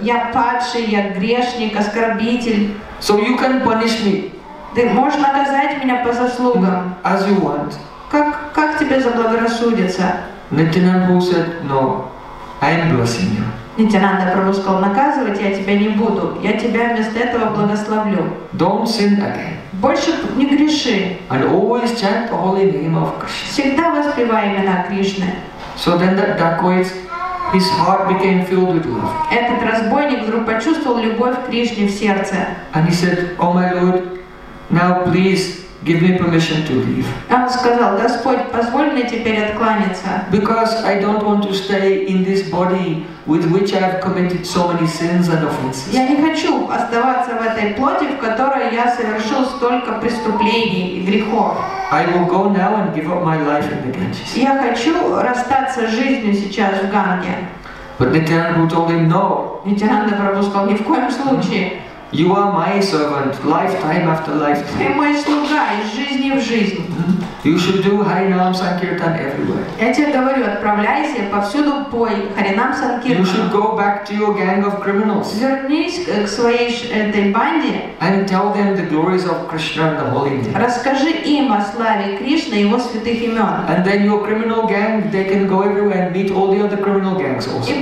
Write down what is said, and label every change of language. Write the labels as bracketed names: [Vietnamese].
[Russian] Я падший, я грешник, оскорбитель. [English] So you can punish me. [Russian] Ты можешь наказать меня по заслугам. [English] As you want. [Russian] Как тебе заблагорассудится? [English] Nityananda said, no. I am blessing you. [Russian] Нитянанда Прабху сказал, наказывать я тебя не буду. Я тебя вместо этого благословлю. [English] Don't sin again. [Russian] Больше не греши. [English] And always chant the holy name of Krishna. [Russian] Всегда воспевай имена Кришны. [English] So then that dacoit, his heart became filled with love. [Russian] Этот разбойник вдруг почувствовал любовь к Кришне в сердце. [English] And he said, oh my Lord, now please give me permission to leave. [Russian] Он сказал, Господь, позволь мне теперь откланяться. [English] Because I don't want to stay in this body with which I have committed so many sins and offenses. [Russian] Я не хочу оставаться в этой плоти, в которой я совершил столько преступлений и грехов. [English] I will go now and give up my life in the Ganges. [Russian] Я хочу расстаться с жизнью сейчас в Ганге. [English] But Nityananda told him no. [Russian] Nityananda Prabhu сказал ни в коем случае. [English] You are my servant, lifetime after lifetime. [Russian] Ты мой слуга из жизни в жизнь. [English] You should do Харинам Санкиртан everywhere. [Russian] Я тебе говорю, отправляйся повсюду, пой Харинам Санкиртан. [English] You should go back to your gang of criminals. [Russian] Вернись к своей этой банде. [English] And tell them the glories of Krishna and the holy name. [Russian] Расскажи им о славе Кришны и его святых имен. [English] And then your criminal gang, they can go everywhere and meet all the other criminal gangs also.